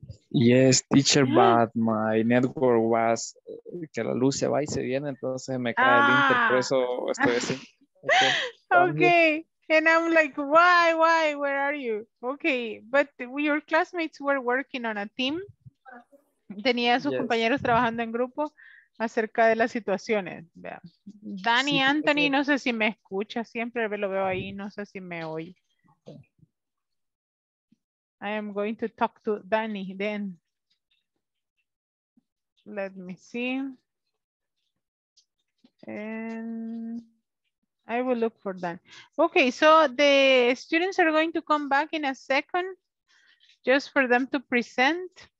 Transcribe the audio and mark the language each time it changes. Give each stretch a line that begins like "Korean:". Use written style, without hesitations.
English: Yes, teacher, but my network was
Spanish: que la luz se va y se viene, entonces me cae el inter, por eso estoy así.
English: Okay. Okay, and I'm like, why, where are you? Okay, but your classmates were working on a team.
Spanish: Tenía sus compañeros trabajando en grupo acerca de las situaciones. Dani, sí, Anthony, okay. No sé si me escucha, siempre lo veo ahí, no sé si me oye.
English: I am going to talk to Danny then. Let me see. And I will look for Danny. Okay, so the students are going to come back in a second just for them to present.